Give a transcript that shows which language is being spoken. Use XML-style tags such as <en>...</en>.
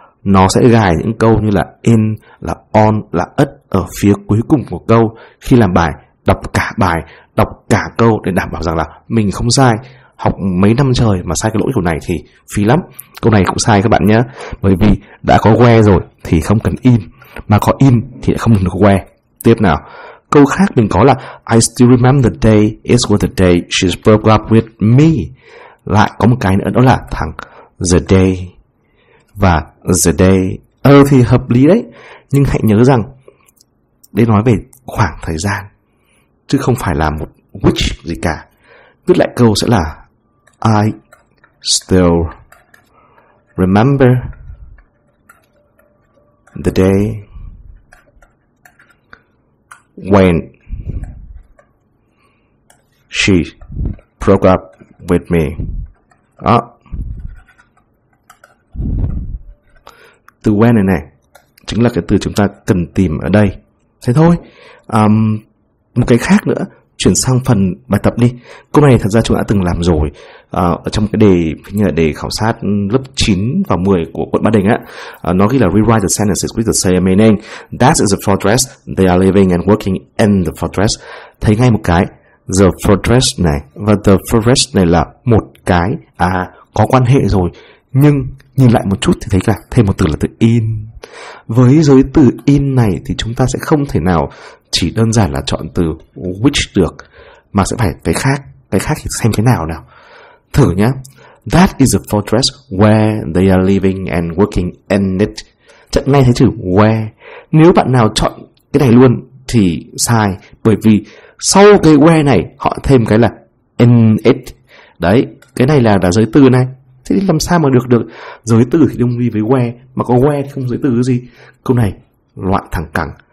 <vi>Nó sẽ gài những câu như là in, là on, là at ở phía cuối cùng của câu. Khi làm bài, đọc cả bài, đọc cả câu để đảm bảo rằng là mình không sai. Học mấy năm trời mà sai cái lỗi kiểu này thì phí lắm. Câu này cũng sai các bạn nhé, bởi vì đã có where rồi thì không cần in, mà có in thì lại không cần được where. Tiếp nào, câu khác mình có là</vi> <en>I still remember the day, it was the day she broke up with me.</en> <vi>Lại có một cái nữa đó là thằng the day và the day. Thì hợp lý đấy, nhưng hãy nhớ rằng đây nói về khoảng thời gian chứ không phải là một which gì cả. Viết lại câu sẽ là</vi> <en>I still remember the day when she broke up with me.</en> <vi>Đó. Từ when này này chính là cái từ chúng ta cần tìm ở đây. Thế thôi. Một cái khác nữa, chuyển sang phần bài tập đi. Câu này thật ra chúng đã từng làm rồi ở trong cái đề, hình như là đề khảo sát lớp 9 và 10 của quận Ba Đình á. Nó ghi là</vi> <en>rewrite the sentences with the same meaning. That is the fortress they are living and working in the fortress.</en> <vi>Thấy ngay một cái the fortress này và the fortress này là một cái có quan hệ rồi, nhưng nhìn lại một chút thì thấy là thêm một từ là từ in. Với giới từ in này thì chúng ta sẽ không thể nào chỉ đơn giản là chọn từ which được, mà sẽ phải cái khác. Cái khác thì xem thế nào nào. Thử nhá.</vi> <en>That is a fortress where they are living and working in it.</en> <vi>Chặn ngay thấy chữ where. Nếu bạn nào chọn cái này luôn thì sai, bởi vì sau cái where này họ thêm cái là in it. Đấy, cái này là đã giới từ này. Thế thì làm sao mà được được? Giới từ thì đồng nghĩa với where, mà có where thì không giới từ cái gì. Câu này loại thẳng cẳng.</vi>